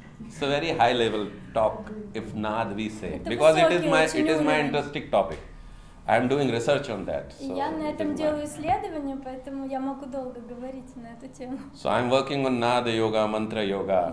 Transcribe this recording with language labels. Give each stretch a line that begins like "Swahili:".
English: So very high level talk if nad we say. Because it is my interesting topic. I am doing research on that. So
Russian: я на этом делаю исследование, поэтому я могу долго говорить на эту тему.
English: So I'm working on Nada Yoga, Mantra Yoga.